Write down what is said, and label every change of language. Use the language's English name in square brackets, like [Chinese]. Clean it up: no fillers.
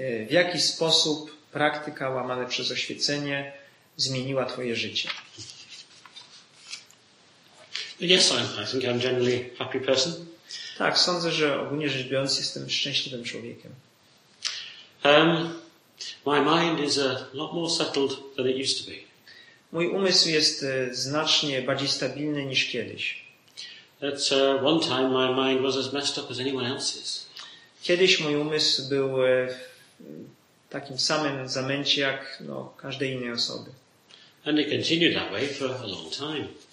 [Polish] W jaki sposób praktyka łamana przez oświecenie zmieniła twoje życie? [English] Yes, I think I'm generally happy person. [Polish] Tak, sądzę, że ogólnie rzecz biorąc jestem szczęśliwym człowiekiem. [English] My mind is a lot more settled than it used to be. [Polish] Mój umysł jest znacznie bardziej stabilny niż kiedyś. [English] At one time my mind was as messed up as anyone else's. [Polish] Kiedyś mój umysł był w takim samym zamęcie jak no, każdej innej osoby. [English] And it continued that way for a long time.